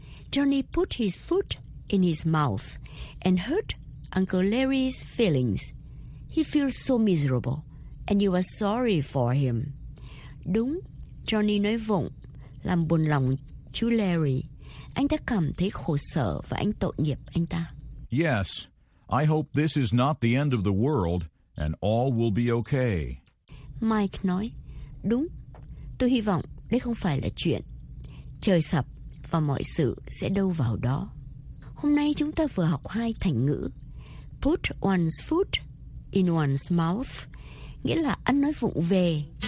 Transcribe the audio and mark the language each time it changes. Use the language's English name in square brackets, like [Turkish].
[English] Johnny put his foot in his mouth and hurt Uncle Larry's feelings. He feels so miserable, and you are sorry for him. [Vietnamese] Đúng, Johnny nói vụng, làm buồn lòng chú Larry. Anh ta cảm thấy khổ sở và anh tội nghiệp anh ta. [English] Yes, I hope this is not the end of the world and all will be okay. [Vietnamese] Mike nói, đúng, tôi hy vọng đây không phải là chuyện trời sập và mọi sự sẽ đâu vào đó. Hôm nay chúng ta vừa học hai thành ngữ. [English] Put one's foot in one's mouth, [Vietnamese] nghĩa là ăn nói vụng về.